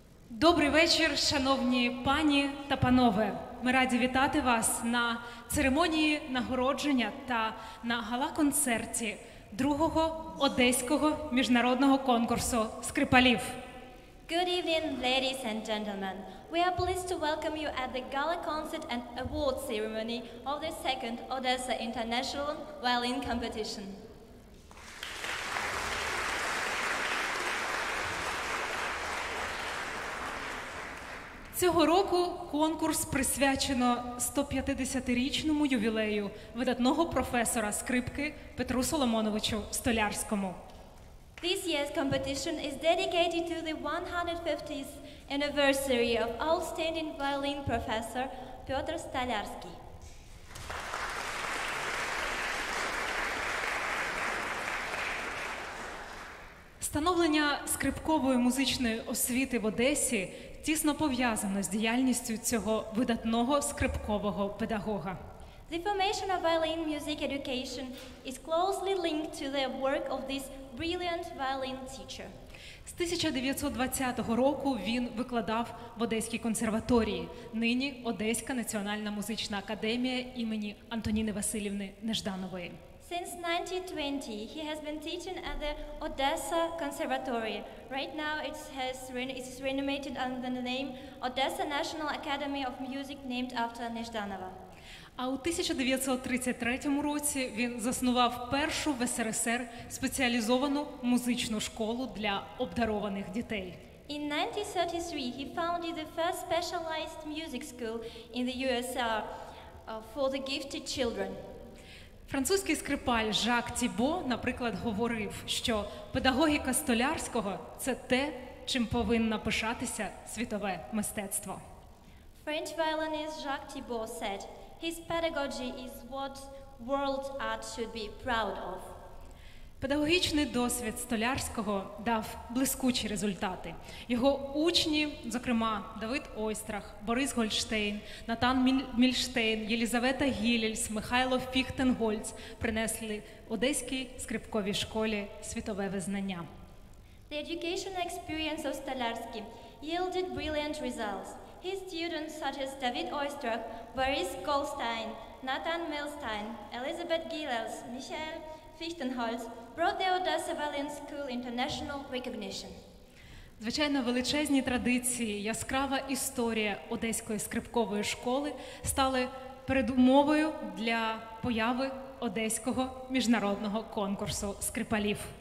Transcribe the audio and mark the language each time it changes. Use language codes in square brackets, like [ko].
[uk] Добрий вечір, шановні пані та панове. Ми раді вітати вас на церемонії нагородження та на гала-концерті другого Одеського міжнародного конкурсу скрипалів. [en] Good evening, ladies and gentlemen. We are pleased to welcome you at the Gala Concert and Award Ceremony of the second Odesa International Violin Competition. [uk] Цього року конкурс присвячено 150-річному ювілею видатного професора скрипки Петру Соломоновичу Столярському. [en] This year's competition is dedicated to the 150th anniversary of outstanding violin professor Петр Столярський. [uk] Становлення скрипкової музичної освіти в Одесі тісно пов'язано з діяльністю цього видатного скрипкового педагога. [en] The formation of violin music education is closely linked to the work of this brilliant violin teacher. [uk] З 1920 року він викладав в Одеській консерваторії, нині Одеська національна музична академія імені Антоніни Васильівни Нежданової. [en] Since 1920, he has been teaching at the Odessa Conservatory. Right now, it's renamed under the name Odessa National Academy of Music, named after Nezhdanova. [uk] А у 1933 році він заснував першу в СРСР спеціалізовану музичну школу для обдарованих дітей. [en] In 1933, he founded the first specialized music school in the USSR for the gifted children. [uk] Французький скрипаль Жак Тібо, наприклад, говорив, що педагогіка Столярського – це те, чим повинна пишатися світове мистецтво. [en] French violinist Jacques Thibault said, his pedagogy is what world art should be proud of. [uk] Педагогічний досвід Столярського дав блискучі результати. Його учні, зокрема, Давид Ойстрах, Борис Гольштейн, Натан Мільштейн, Єлізавета Гілільс, Михайло Фіхтенгольц принесли Одеській скрипковій школі світове визнання. [en] The educational experience of Stolarski yielded brilliant results. His students such as David Ойстрах, Борис Гольштейн, Натан Мільштейн, Елізавета Гілільс, Михайло Фіхтенгольц brought the Odessa Violin School international recognition. [uk] Звичайно, величезні традиції, яскрава історія Одеської скрипкової школи стали передумовою для появи Одеського міжнародного конкурсу скрипалів.